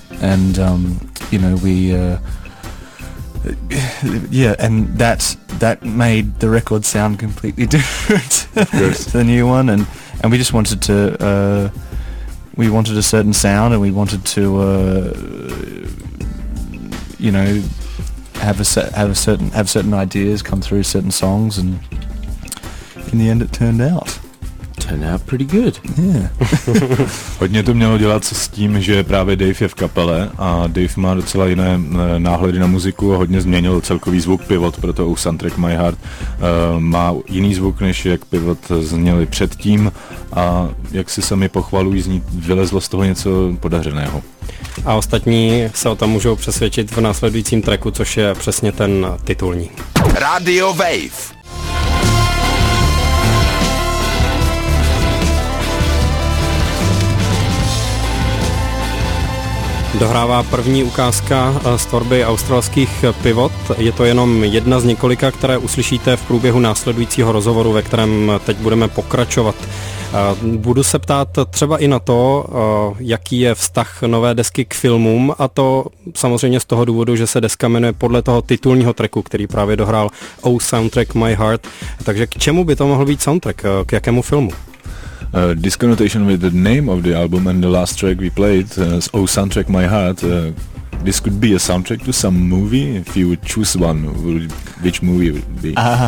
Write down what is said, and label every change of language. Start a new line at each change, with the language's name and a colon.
English: And you know, we and that made the record sound completely different to the new one, and we just wanted to we wanted a certain sound, and we wanted to you know, have certain ideas come through certain songs, and in the end it turned out. turned out pretty good. Yeah.
Czech: Hodně to mělo dělat s tím, že právě Dave je v kapele a Dave má docela jiné náhledy na muziku a hodně změnil celkový zvuk Pivot, proto u Soundtrack My Heart má jiný zvuk, než jak Pivot zněli předtím, a jak si sami pochvalují, z ní vylezlo z toho něco podařeného. A ostatní se o tom můžou přesvědčit v následujícím tracku, což je přesně ten titulní. Radio Wave. Dohrává první ukázka z tvorby australských Pivot. Je to jenom jedna z několika, které uslyšíte v průběhu následujícího rozhovoru, ve kterém teď budeme pokračovat. Budu se ptát třeba i na to, jaký je vztah nové desky k filmům, a to samozřejmě z toho důvodu, že se deska jmenuje podle toho titulního tracku, který právě dohrál O Soundtrack My Heart. Takže k čemu by to mohl být soundtrack? K jakému filmu?
English: Disconnotation with the name of the album and the last track we played, O Soundtrack My Heart, this could be a soundtrack to some movie. If you would choose one, which movie would it be?